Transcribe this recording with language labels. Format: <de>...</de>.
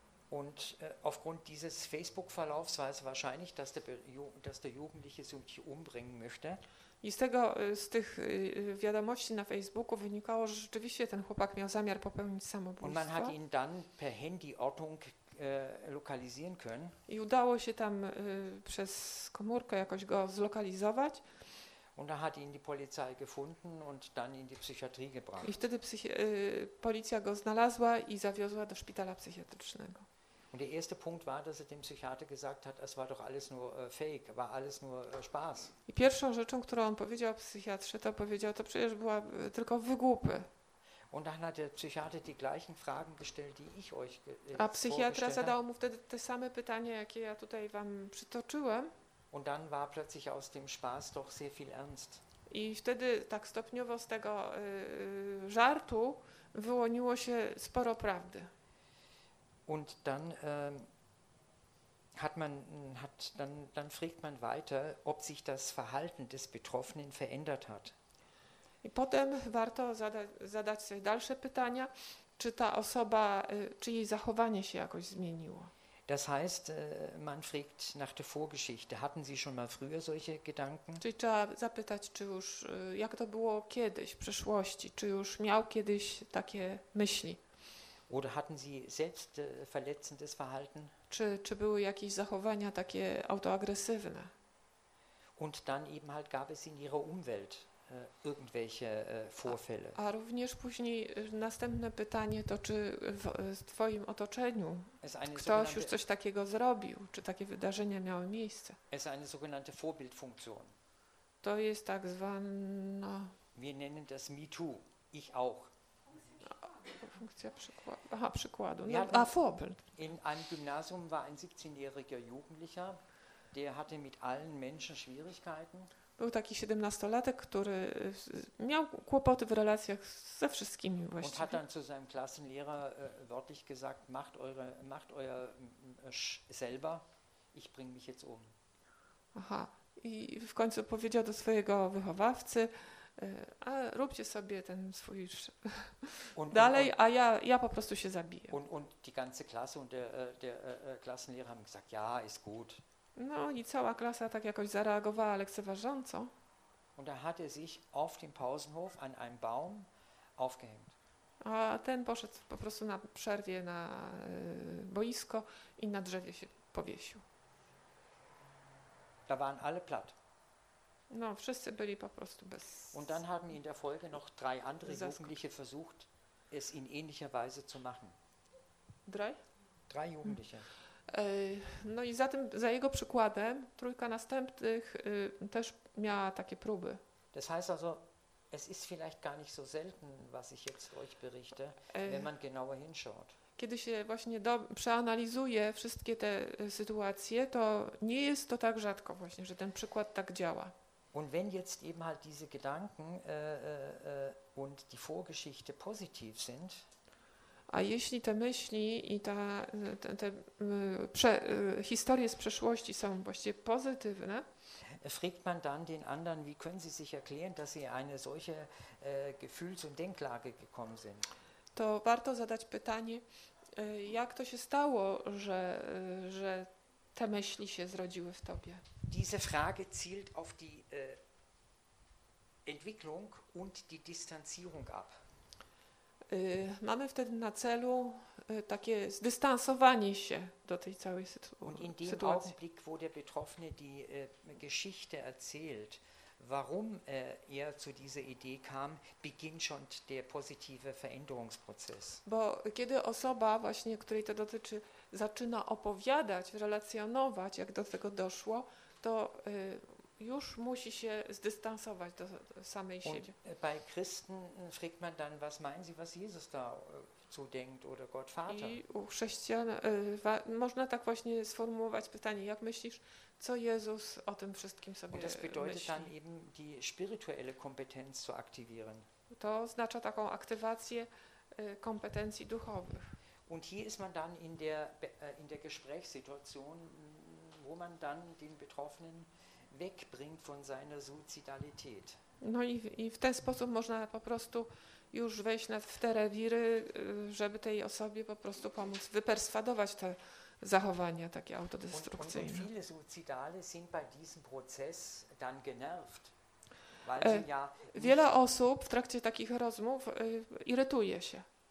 <de>Und aufgrund dieses Facebook-Verlaufs war es wahrscheinlich, dass der Jugendliche sich umbringen möchte.</de> <pl>I z tych wiadomości na Facebooku wynikało, że rzeczywiście ten chłopak miał zamiar popełnić samobójstwo.</pl> <de>Und man hat ihn dann per Handy Ortung lokalisieren können.</de> <pl>I udało się tam przez komórkę jakoś go zlokalizować.</pl> <de>Und da hat ihn die Polizei gefunden und dann in die Psychiatrie gebracht.</de> <pl>I wtedy policja go znalazła i zawiozła do szpitala psychiatrycznego.</pl> <de>Und der erste Punkt war, dass er dem Psychiater gesagt hat, es war doch alles nur fake, war alles nur Spaß.</de> <pl>I pierwszą rzeczą, którą on powiedział psychiatrze, to powiedział, to przecież była tylko wygłupy.</pl> <de>Und dann hat der Psychiater die gleichen Fragen gestellt, die ich euch vorgestellt habe.</de> <pl>A psychiatra zadał mu wtedy te same pytania, jakie ja tutaj wam przytoczyłem.</pl> <de>Und dann war plötzlich aus dem Spaß doch sehr viel Ernst.</de> <pl>I wtedy tak stopniowo z tego żartu wyłoniło się sporo prawdy.</pl> <de>Und dann hat man fragt man weiter, ob sich das Verhalten des Betroffenen verändert hat.</de> <pl>I potem warto zadać sobie dalsze pytania, czy ta osoba, czy jej zachowanie się jakoś zmieniło.</pl> <de>Das heißt, man fragt nach der Vorgeschichte. Hatten Sie schon mal früher solche Gedanken?</de> <pl>Czyli trzeba zapytać, czy już, jak to było kiedyś, w przeszłości, czy już miał kiedyś takie myśli?</pl> <de>Oder hatten Sie selbst verletzendes Verhalten?</de> <pl>Czy były jakieś zachowania takie autoagresywne?</pl> <de>Und dann eben halt gab es in Ihrer Umwelt irgendwelche Vorfälle.</de> <pl>A również później następne pytanie to, czy w twoim otoczeniu ktoś już coś takiego zrobił, czy takie wydarzenia miały miejsce.</pl> <de>Es eine sogenannte Vorbildfunktion.</de> <pl>To jest tak zwana...</pl> <de>Wir nennen das Me Too. Ich auch.</de> <pl>Funkcja przykładu. No, a Vorbild.</pl> <de>In einem Gymnasium war ein 17-jähriger Jugendlicher, der hatte mit allen Menschen Schwierigkeiten.</de> <pl>Był taki 17-latek, który miał kłopoty w relacjach ze wszystkimi właściwie.</pl> <de>Und hat dann zu seinem Klassenlehrer wörtlich gesagt, macht euer selber, ich bring mich jetzt um.</de> <pl>Aha, i w końcu powiedział do swojego wychowawcy, a róbcie sobie ten swój dalej, a ja po prostu się zabiję.</pl> <de>Und die ganze Klasse und der Klassenlehrer haben gesagt, ja, ist gut.</de> <pl>No i cała klasa tak jakoś zareagowała lekceważąco.</pl> <de>Und er hatte sich auf dem Pausenhof an einem Baum aufgehängt.</de> <pl>A ten poszedł po prostu na przerwie na boisko i na drzewie się powiesił.</pl> <de>Da waren alle platt.</de> <pl>No wszyscy byli po prostu bez.</pl> <de>Und dann haben in der Folge noch drei andere Jugendliche versucht, es in ähnlicher Weise zu machen. Drei Jugendliche.</de> <pl>No i za jego przykładem trójka następnych też miała takie próby.</pl> <de>Das heißt also, es ist vielleicht gar nicht so selten, was ich jetzt euch berichte, wenn man genauer hinschaut.</de> <pl>kiedy się właśnie przeanalizuje wszystkie te sytuacje, to nie jest to tak rzadko właśnie, że ten przykład tak działa.</pl> <de>Und wenn jetzt eben halt diese Gedanken und die Vorgeschichte positiv sind,</de> <pl>a jeśli te myśli i te historie z przeszłości są właściwie pozytywne,</pl> <de>fragt man dann den anderen, wie können sie sich erklären, dass sie eine solche Gefühls- und Denklage gekommen sind.</de> <pl>To warto zadać pytanie, jak to się stało, że te myśli się zrodziły w tobie.</pl> <de>Diese Frage zielt auf die Entwicklung und die Distanzierung ab.</de> <pl>Mamy wtedy na celu takie zdystansowanie się do tej całej sytuacji.</pl> <de>Und in dem Augenblick, wo der Betroffene die Geschichte erzählt, warum er zu dieser Idee kam, beginnt schon der positive Veränderungsprozess.</de> <pl>Bo kiedy osoba właśnie, której to dotyczy, zaczyna opowiadać, relacjonować, jak do tego doszło, to już musi się zdystansować do samej siebie.</pl> <de>Und bei Christen fragt man dann, was meinen Sie, was Jesus da zu denkt oder Gott Vater?</de> <pl>I u chrześcijan można tak właśnie sformułować pytanie, jak myślisz, co Jezus o tym wszystkim sobie myśli?</pl> <de>Und das bedeutet</de> <pl>myśli?</pl> <de>Dann eben die spirituelle Kompetenz zu aktivieren.</de> <pl>To oznacza taką aktywację kompetencji duchowych.</pl> <de>Und hier ist man dann in der Gesprächssituation, wo man dann den Betroffenen wegbringt von seiner Suizidalität.</de> <pl>No i w ten sposób można po prostu już wejść w te rewiry, żeby tej osobie po prostu pomóc wyperswadować te zachowania takie autodestrukcyjne.</pl> <de>Und viele Suizidale sind bei diesem Prozess dann genervt, weil sie ja</de> <pl>wiele osób w trakcie takich rozmów irytuje się.</pl>